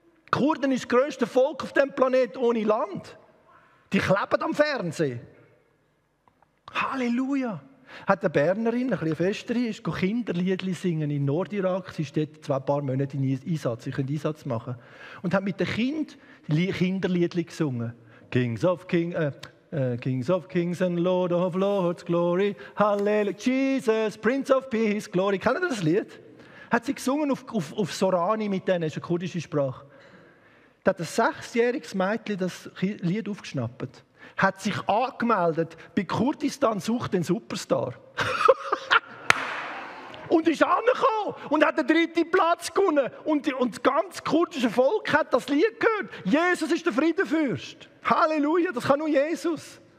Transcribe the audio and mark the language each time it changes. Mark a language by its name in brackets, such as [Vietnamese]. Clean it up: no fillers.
[German] Kurden ist das grösste Volk auf dem Planet ohne Land. Die kleben am Fernsehen. Halleluja. Hat eine Bernerin, eine etwas festere, ist Kinderliedli singen in Nordirak. Sie ist dort zwei paar Monate in Einsatz. Sie können Einsatz machen. Und hat mit den Kinderliedli gesungen. [English] Kings of Kings and Lord of Lords, Glory, Halleluja, Jesus, Prince of Peace, Glory. [German] Kennt ihr das Lied? Hat sie gesungen auf Sorani mit denen, das ist eine kurdische Sprache. Da hat ein 6-jähriges Mädchen das Lied aufgeschnappt. Hat sich angemeldet, bei Kurdistan sucht den Superstar. Und ist angekommen und hat den dritten Platz gewonnen. Und das ganz kurdische Volk hat das Lied gehört. Jesus ist der Friedenfürst. Halleluja, das kann nur Jesus.